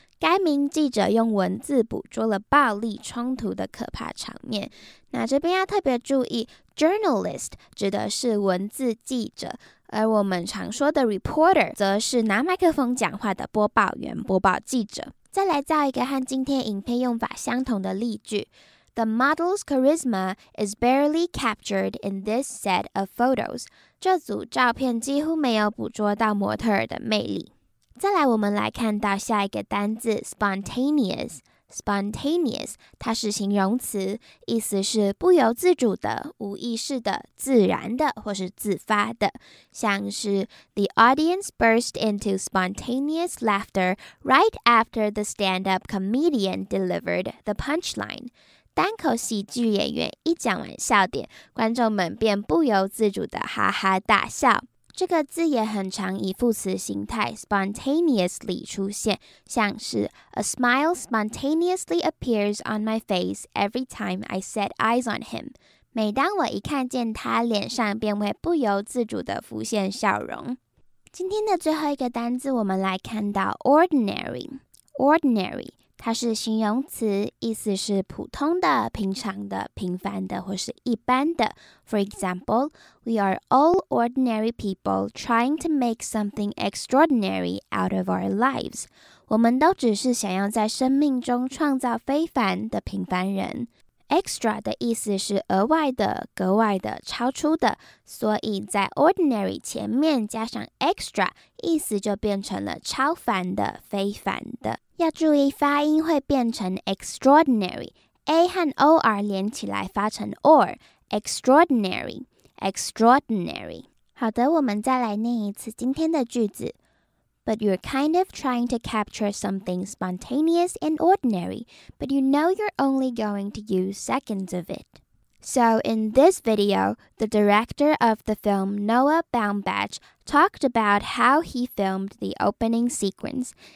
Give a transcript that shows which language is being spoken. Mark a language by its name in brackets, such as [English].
[Chinese] 该名记者用文字捕捉了暴力冲突的可怕场面。那这边要特别注意 ,journalist 指的是文字记者，而我们常说的 reporter 则是拿麦克风讲话的播报员、播报记者。再来造一个和今天影片用法相同的例句。 [English] The model's charisma is barely captured in this set of photos. [Chinese] 这组照片几乎没有捕捉到模特儿的魅力。再来我们来看到下一个单字 spontaneous. Spontaneous, 它是形容词，意思是不由自主的、无意识的、自然的或是自发的。像是 [English] The audience burst into spontaneous laughter right after the stand-up comedian delivered the punchline. [Chinese] 单口喜剧演员一讲完笑点，观众们便不由自主的哈哈大笑。这个字也很常以副词形态 [English] spontaneously [Chinese] 出现，像是 [English] A smile spontaneously appears on my face every time I set eyes on him. [Chinese] 每当我一看见他，脸上便会不由自主的浮现笑容。今天的最后一个单字，我们来看到 ordinary, ordinary. 它是形容词，意思是普通的、平常的、平凡的或是一般的。 [English] For example, we are all ordinary people trying to make something extraordinary out of our lives. [Chinese] 我们都只是想要在生命中创造非凡的平凡人。 Extra 的意思是额外的、格外的、超出的，所以在 ordinary 前面加上 extra， 意思就变成了超凡的、非凡的。要注意发音会变成 extraordinary， A 和 OR 连起来发成 or， extraordinary， extraordinary。好的，我们再来念一次今天的句子。 [English] But you're kind of trying to capture something spontaneous and ordinary, but you know you're only going to use seconds of it. So in this video, the director of the film Noah Baumbach talked about how he filmed the opening sequence.